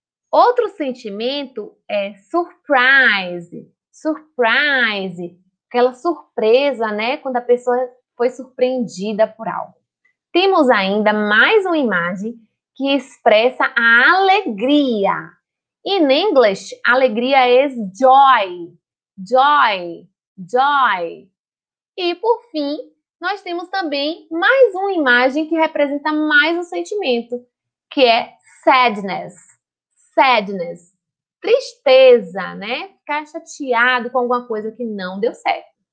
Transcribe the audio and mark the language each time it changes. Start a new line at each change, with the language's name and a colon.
Portuguese: Outro sentimento é surprise. Surprise. Aquela surpresa, né? Quando a pessoa foi surpreendida por algo. Temos ainda mais uma imagem que expressa a alegria.
English: In English, alegria is joy. Joy. Joy.
Portuguese: E, por fim, nós temos também mais uma imagem que representa mais um sentimento, que é sadness. Sadness. Tristeza, né? Ficar chateado com alguma coisa que não deu certo.